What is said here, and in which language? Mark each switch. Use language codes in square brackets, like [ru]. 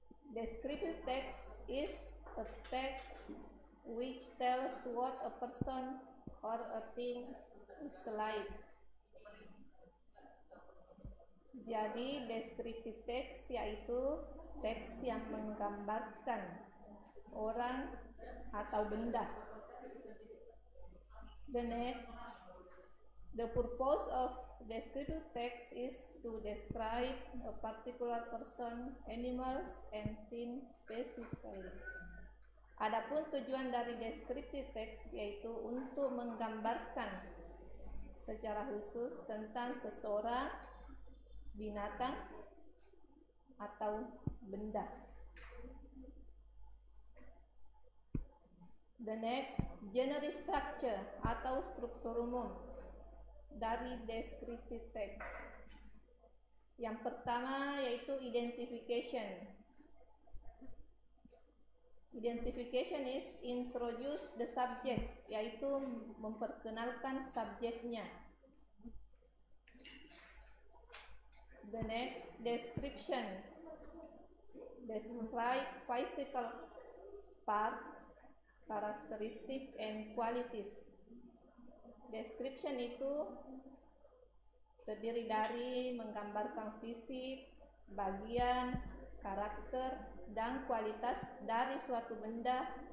[en] Descriptive text is a text which tells what a person or a thing is like. [id] Jadi, descriptive text yaitu teks yang menggambarkan orang atau benda. [en] The next, the purpose of descriptive text is to describe a particular person, animals, and things specifically. [id] Adapun tujuan dari descriptive text yaitu untuk menggambarkan secara khusus tentang seseorang, binatang, atau benda. [en] The next, generic structure [id] atau struktur umum. Dari descriptive text yang pertama yaitu identification. [en] Identification is introduce the subject, [id] yaitu memperkenalkan subjeknya. [en] The next, description, describe physical parts, characteristic, and qualities. [id] Description itu terdiri dari menggambarkan fisik, bagian, karakter, dan kualitas dari suatu benda.